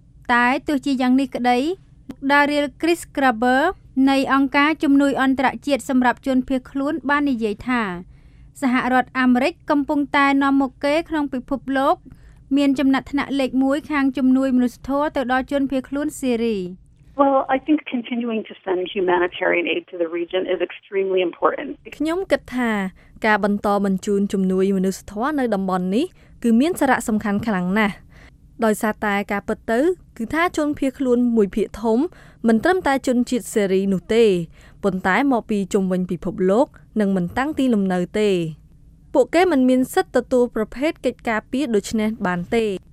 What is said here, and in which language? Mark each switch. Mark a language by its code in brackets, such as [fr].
[km] តែទោះជាយ៉ាងនេះក្តីលោក Daryl Chris Graber នៃអង្គការជំនួយអន្តរជាតិសម្រាប់ជនភៀសខ្លួនបាននិយាយថាសហរដ្ឋអាមេរិកកំពុងតែនាំមុខគេក្នុងពិភពលោកមានចំណាត់ថ្នាក់លេខ1ខាងជំនួយមនុស្សធម៌ទៅដល់ជនភៀសខ្លួនសេរី [en] Well, I think continuing to send humanitarian aid to the region is extremely important. [km] ខ្ញុំគិតថាការបន្តបញ្ជូនជំនួយមនុស្សធម៌នៅតំបន់នេះគឺមានសារៈសំខាន់ខ្លាំងណាស់ដោយសារតែការពិតទៅគឺថាជនភៀសខ្លួនមួយភាគធំមិនត្រឹមតែជនជាតិសេរីនោះទេប៉ុន្តែមកពីជុំវិញពិភពលោកនិងមិនតាំងទីលំនៅទេពួកគេមិនមានសិទ្ធិទទួលប្រភេទកិច្ចការពារដូចនេះបានទេ